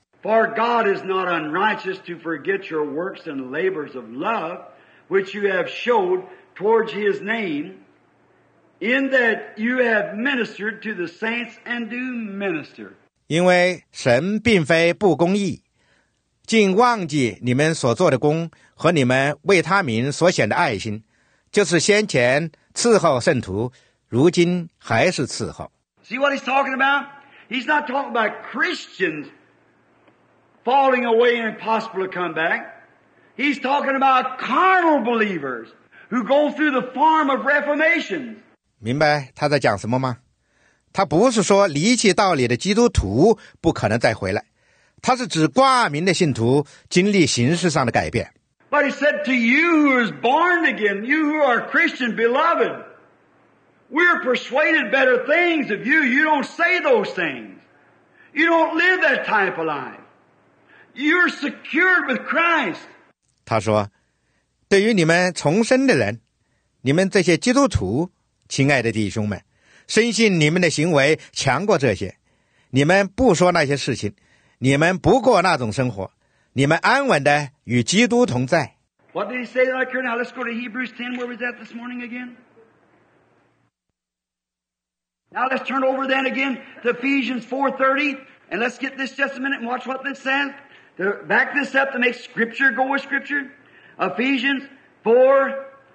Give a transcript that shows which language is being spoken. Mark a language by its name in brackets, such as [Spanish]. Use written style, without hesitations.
[English] For God is not unrighteous to forget your works and labors of love, which you have showed towards His name, in that you have ministered to the saints and do minister. [Chinese] 因为神并非不公义，竟忘记你们所做的功和你们为他名所显的爱心，就是先前伺候圣徒，如今还是伺候。 [English] See what he's talking about? He's not talking about Christians falling away and impossible to come back. He's talking about carnal believers who go through the form of reformation. [Chinese] 明白他在讲什么吗？他不是说离弃道理的基督徒不可能再回来，他是指挂名的信徒经历形式上的改变。 [English] But he said to you who is born again, you who are Christian, beloved, we're persuaded better things of you. You don't say those things. You don't live that type of life. You're secured with Christ. [Chinese] 他说，对于你们重生的人，你们这些基督徒，亲爱的弟兄们，深信你们的行为强过这些，你们不说那些事情，你们不过那种生活，你们安稳的与基督同在。 [English] What did he say that occurred? Now let's go to Hebrews 10. Where was that this morning again? Now let's turn over then again to Ephesians 4:30, and let's get this just a minute and watch what this says. To back this up to make Scripture go with Scripture, Ephesians 4.